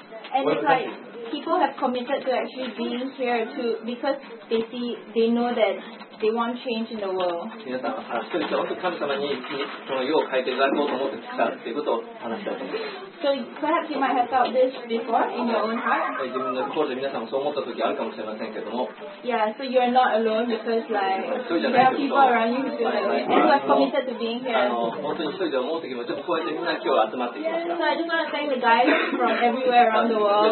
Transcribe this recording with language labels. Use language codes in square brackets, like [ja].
[en] And it's like people have committed to actually being here to because they see they know that. They want change in the world. [ja] 皆さん、あ、一人一人本当に神様にその世を変えていただこうと思ってきたっていうことを話したいと思います。 [en] So perhaps you might have thought this before in your own heart. [ja] 自分の心で皆さんもそう思った時あるかもしれませんけども。 [en] Yeah, so you're not alone because like there are people around you who feel like you are committed to being here. [ja] 本当に一人で思う時もちょっとこうやってみんな今日集まってきました。 [en] So I just want to thank the guys from everywhere around the world.